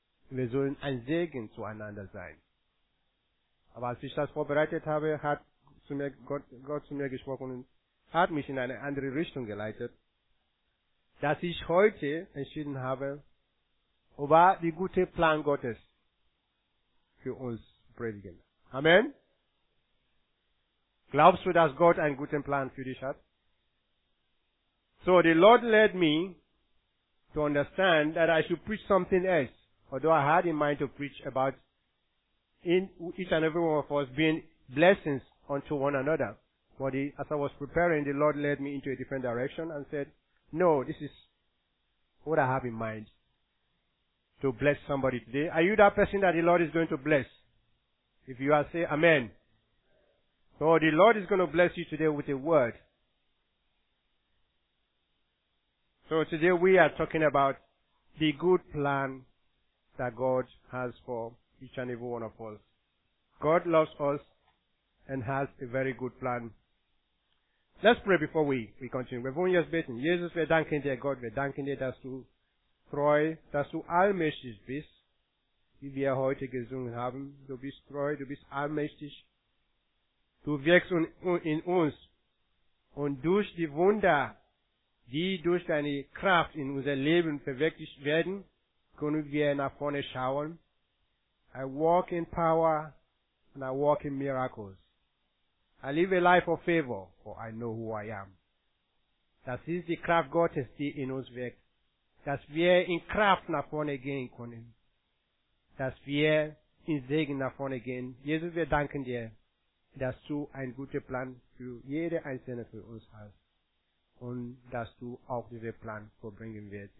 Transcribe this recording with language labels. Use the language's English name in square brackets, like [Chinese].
[German] Wir sollen ein Segen zueinander sein. Aber als ich das vorbereitet habe, hat Gott zu mir gesprochen und hat mich in eine andere Richtung geleitet, dass ich heute entschieden habe, über den guten Plan Gottes für uns predigen. Amen? Glaubst du, dass Gott einen guten Plan für dich hat? [English] So, the Lord led me to understand that I should preach something else, although I had in mind to preach about in each and every one of us being blessings unto one another. But as I was preparing, the Lord led me into a different direction and said, no, this is what I have in mind, to bless somebody today. Are you that person that the Lord is going to bless? If you are, say amen. So the Lord is going to bless you today with a word. So today we are talking about the good plan that God has for each and every one of us. God loves us and has a very good plan. Let's pray before we continue. We've only just [German] beten. Jesus, wir danken dir, Gott, wir danken dir, dass du treu, dass du allmächtig bist, wie wir heute gesungen haben. Du bist treu, du bist allmächtig. Du wirkst in uns. Und durch die Wunder, die durch deine Kraft in unser Leben verwirklicht werden, können wir nach vorne schauen. [English] I walk in power and I walk in miracles. I live a life of favor, for I know who I am. [German] Das ist die Kraft Gottes, die in uns wirkt. Dass wir in Kraft nach vorne gehen können. Dass wir in Segen nach vorne gehen. Jesus, wir danken dir, dass du einen guten Plan für jede einzelne von uns hast. Und dass du auch diesen Plan vorbringen wirst.